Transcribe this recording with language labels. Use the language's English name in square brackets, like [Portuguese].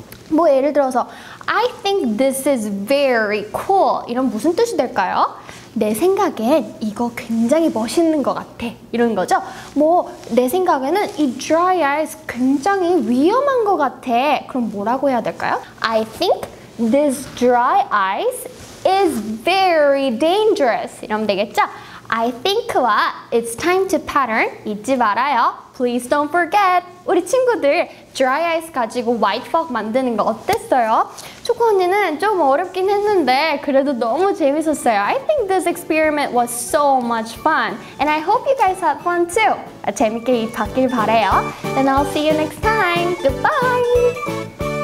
[Korean] 뭐 예를 들어서 [English] I think this is very cool [Korean] 이런 무슨 뜻이 될까요? 내 생각엔 이거 굉장히 멋있는 것 같아 이런 거죠. 뭐 내 생각에는 이 dry ice 굉장히 위험한 것 같아. 그럼 뭐라고 해야 될까요? [English] I think this dry ice is very dangerous [Korean] 이러면 되겠죠? [English] I think와 it's time to pattern [Korean] 잊지 말아요. [English] Please don't forget. [Korean] 우리 친구들 dry ice 가지고 white fog 만드는 거 어땠어요? 초코 언니는 좀 어렵긴 했는데 그래도 너무 재밌었어요. [English] I think this experiment was so much fun. And I hope you guys had fun too. [Korean] 재밌게 봤길 바래요. [English] And I'll see you next time. Goodbye.